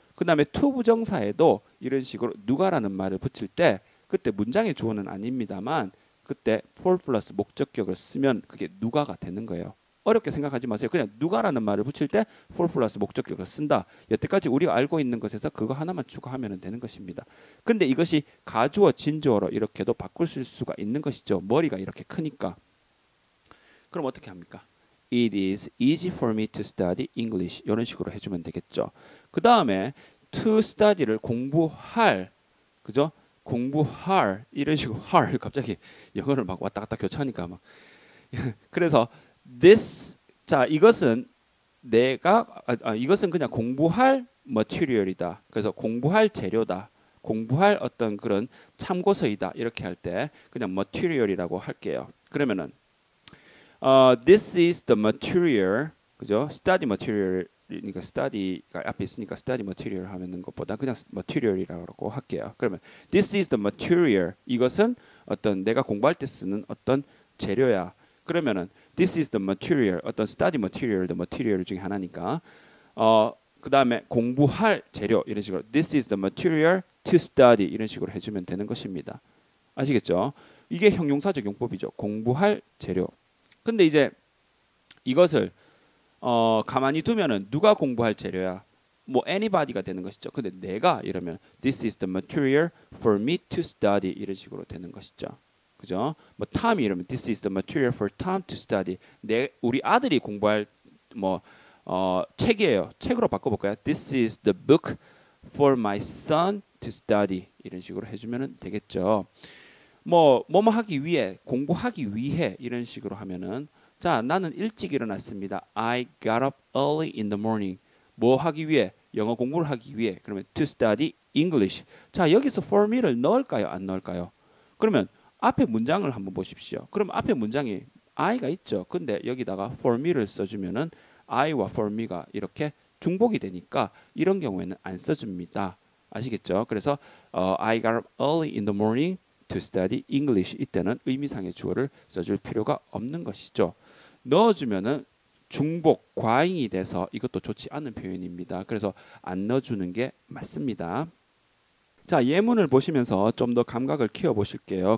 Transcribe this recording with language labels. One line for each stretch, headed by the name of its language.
Korean: 그다음에 to 부정사에도 이런 식으로 누가라는 말을 붙일 때 그때 문장의 주어는 아닙니다만 그때 for 플러스 목적격을 쓰면 그게 누가가 되는 거예요. 어렵게 생각하지 마세요. 그냥 누가라는 말을 붙일 때 for 플러스 목적격을 쓴다. 여태까지 우리가 알고 있는 것에서 그거 하나만 추가하면 되는 것입니다. 근데 이것이 가주어 진주어로 이렇게도 바꿀 수가 있는 것이죠. 머리가 이렇게 크니까. 그럼 어떻게 합니까?
English: It is easy for me to study English.
Korean: 이런 식으로 해주면 되겠죠. 그 다음에 to study를 공부할, 그죠? 공부할 이런 식으로 할 갑자기 영어를 막 왔다 갔다 교차하니까 막 그래서 this 자 이것은 내가 이것은 그냥 공부할 material이다. 그래서 공부할 재료다. 공부할 어떤 그런 참고서이다. 이렇게 할때 그냥 material이라고 할게요. 그러면은
English: this is the material,
Korean: 그죠? study material이니까 study가 앞에 있으니까 study material 하는 것보다 그냥 material이라고 할게요.
English: 그러면 this is the material.
Korean: 이것은 어떤 내가 공부할 때 쓰는 어떤 재료야. 그러면은
English: this is the material.
Korean: 어떤
English: study material, the material
Korean: 중에 하나니까. 그 다음에 공부할 재료 이런 식으로
English: this is the material to study
Korean: 이런 식으로 해주면 되는 것입니다. 아시겠죠? 이게 형용사적 용법이죠. 공부할 재료. 근데 이제 이것을 가만히 두면은 누가 공부할 재료야? 뭐 anybody가 되는 것이죠. 근데 내가 이러면
English: this is the material for me to study
Korean: 이런 식으로 되는 것이죠. 그죠? 뭐
English: Tom
Korean: 이러면
English: this is the material for Tom to study.
Korean: 내 우리 아들이 공부할 뭐 책이에요. 책으로 바꿔볼까요?
English: This is the book for my son to study
Korean: 이런 식으로 해주면은 되겠죠. 뭐 뭐뭐 하기 위해 공부하기 위해 이런 식으로 하면은 자 나는 일찍 일어났습니다.
English: I got up early in the morning.
Korean: 뭐 하기 위해 영어 공부를 하기 위해 그러면
English: to study English.
Korean: 자 여기서 for me를 넣을까요 안 넣을까요? 그러면 앞에 문장을 한번 보십시오. 그럼 앞에 문장이 I가 있죠. 근데 여기다가 for me를 써주면은 I와 for me가 이렇게 중복이 되니까 이런 경우에는 안 써줍니다. 아시겠죠?
English: 그래서 I got up early in the morning. To study English
Korean: 이때는 의미상의 주어를 써줄 필요가 없는 것이죠. 넣어주면은 중복 과잉이 돼서 이것도 좋지 않은 표현입니다. 그래서 안 넣어주는 게 맞습니다. 자, 예문을 보시면서 좀더 감각을 키워 보실게요.